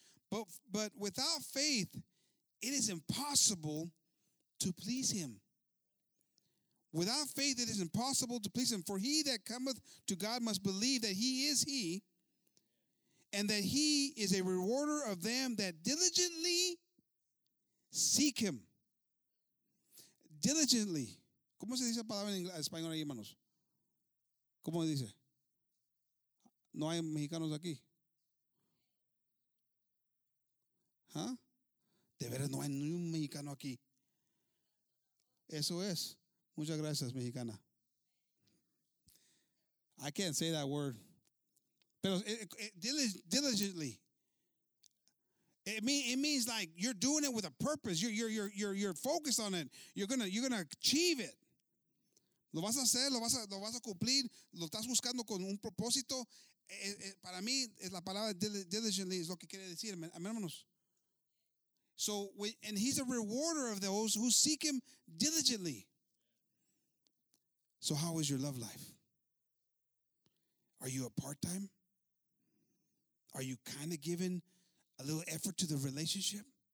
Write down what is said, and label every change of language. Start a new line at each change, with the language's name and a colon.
English: But without faith, it is impossible to please him. Without faith, it is impossible to please him. For he that cometh to God must believe that he is he, and that he is a rewarder of them that diligently seek him. Diligently.
Spanish: ¿Cómo se dice la palabra en español ahí, hermanos? ¿Cómo se dice? ¿No hay mexicanos aquí? ¿Huh? De veras, no hay ni un mexicano aquí. Eso es. Muchas gracias, mexicana.
English: I can't say that word. Pero diligently. It means like you're doing it with a purpose. You're focused on it. You're gonna achieve it.
Spanish: Lo vas a hacer, lo vas a cumplir, lo estás buscando con un propósito. Para mí es la palabra diligently es lo que quiere decir. Amén, hermanos.
English: So and he's a rewarder of those who seek him diligently. So how is your love life? Are you a part-time? Are you kind of giving a little effort to the relationship?